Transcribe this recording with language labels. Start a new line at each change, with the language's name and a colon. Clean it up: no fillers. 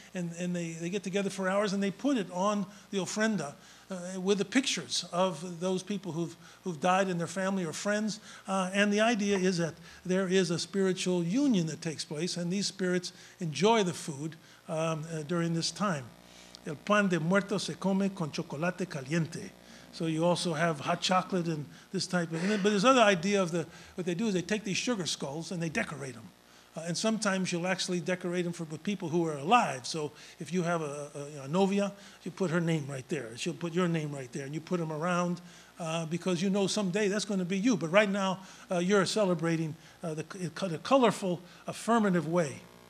English: And they get together for hours and they put it on the ofrenda with the pictures of those people who've died and their family or friends. And the idea is that there is a spiritual union that takes place and these spirits enjoy the food during this time.
Spanish: El pan de muertos se come con chocolate caliente.
English: So you also have hot chocolate and this type of thing. But there's another idea of what they do is they take these sugar skulls and they decorate them. And sometimes you'll actually decorate them with people who are alive. So if you have a novia, you put her name right there. She'll put your name right there. And you put them around because you know someday that's going to be you. But right now, you're celebrating the colorful, affirmative way.